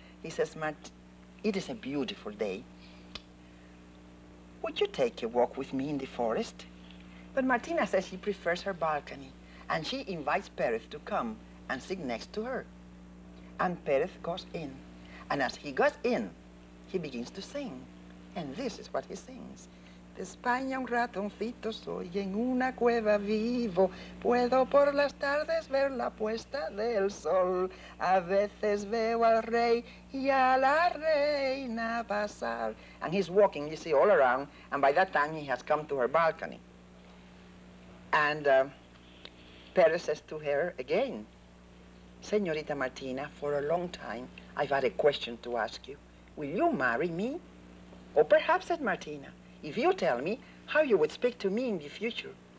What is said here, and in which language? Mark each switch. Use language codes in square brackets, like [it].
[en] He says, Mart, it is a beautiful day. Would you take a walk with me in the forest? But Martina says she prefers her balcony, and she invites Pérez to come and sit next to her. And Pérez goes in. And as he goes in, he begins to sing. And this is what he sings. [es] De España un ratoncito soy en una cueva vivo. Puedo por las tardes ver la puesta del sol. A veces veo al rey y a la reina pasar. [en] And he's walking, you see, all around. And by that time, he has come to her balcony. And Perez says to her again, Señorita Martina, for a long time, I've had a question to ask you. Will you marry me? Or perhaps, said Martina, if you tell me how you would speak to me in the future.